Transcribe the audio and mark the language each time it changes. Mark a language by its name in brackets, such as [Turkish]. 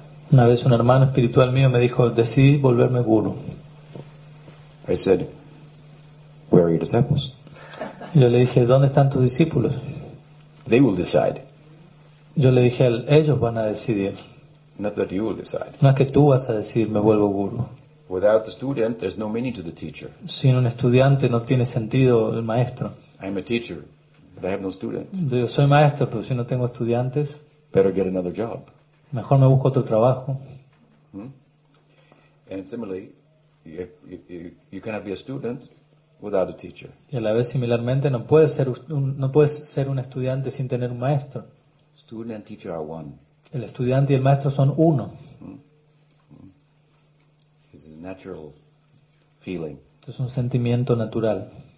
[Spanish] Una vez un hermano espiritual mío me dijo, decidí volverme guru. [English] I said, where are your disciples? [Spanish] Yo le dije, ¿dónde están tus discípulos? [English] They will decide. [Spanish] Yo le dije, ellos van a decidir. [English] Not that you will decide. [Spanish] No es que tú vas a decir, me vuelvo guru. [English] Without the student, there's no meaning to the teacher. [Spanish] Sin un estudiante no tiene sentido el maestro. [English] I'm a teacher, but I have no students. [Spanish] Yo soy maestro, pero si no tengo estudiantes. [English] Better get another job. [Spanish] Mejor me busco otro trabajo. [English] And similarly, you cannot be a student without a teacher. [Spanish] Y a la vez similarmente, no puedes ser un estudiante sin tener un maestro. [English] Student and teacher are one. [Spanish] El estudiante y el maestro son uno. [English] This is a natural feeling. [Spanish] Esto es un sentimiento natural.